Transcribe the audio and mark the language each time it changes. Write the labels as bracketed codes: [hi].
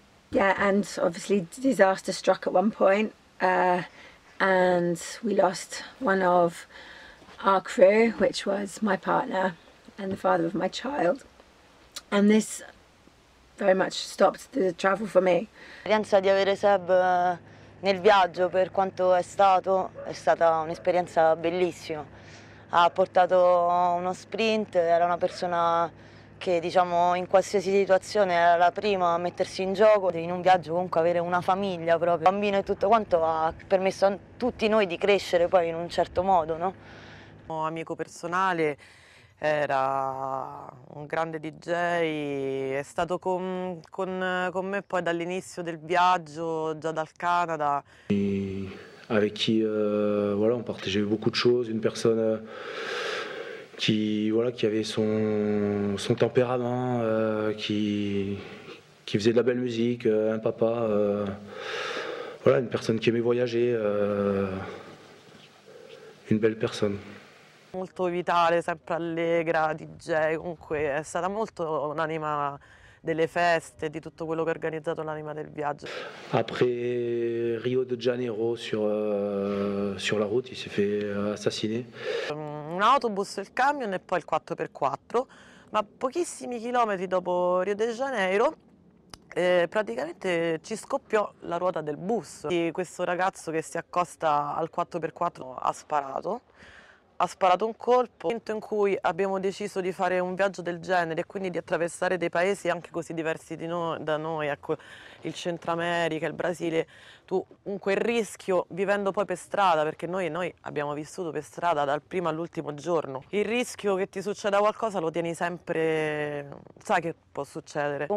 [en] Yeah, and obviously disaster struck at one point, and we lost one of our crew, which was my partner and the father of my child, and this very much stopped the travel for me. [it] L'esperienza di avere Seb nel viaggio, per quanto è stata un'esperienza bellissima. Ha portato uno sprint, era una persona che, diciamo, in qualsiasi situazione era la prima a mettersi in gioco. In un viaggio comunque avere una famiglia proprio, bambino e tutto quanto, ha permesso a tutti noi di crescere poi in un certo modo, no? Un amico personale, era un grande DJ, è stato con me poi dall'inizio del viaggio, già dal Canada. [fr] E avec qui, voilà, on partageait beaucoup de choses, une personne qui, voilà, qui avait son tempérament, qui faisait de la belle musique, un papa, voilà, une personne qui aimait voyager, une belle personne. [it] Molto vitale, sempre allegra, DJ, comunque è stata molto un'anima delle feste, di tutto quello che ha organizzato, l'anima del viaggio. [fr] Après Rio de Janeiro, sur la route, il s'est fait assassiner. [it] Un autobus, il camion e poi il 4x4, ma pochissimi chilometri dopo Rio de Janeiro, praticamente ci scoppiò la ruota del bus. E questo ragazzo che si accosta al 4x4 ha sparato un colpo. Nel momento in cui abbiamo deciso di fare un viaggio del genere e quindi di attraversare dei paesi anche così diversi da noi, ecco, il Centro America, il Brasile, tu comunque il rischio, vivendo poi per strada, perché noi abbiamo vissuto per strada dal primo all'ultimo giorno, il rischio che ti succeda qualcosa lo tieni sempre, sai che può succedere.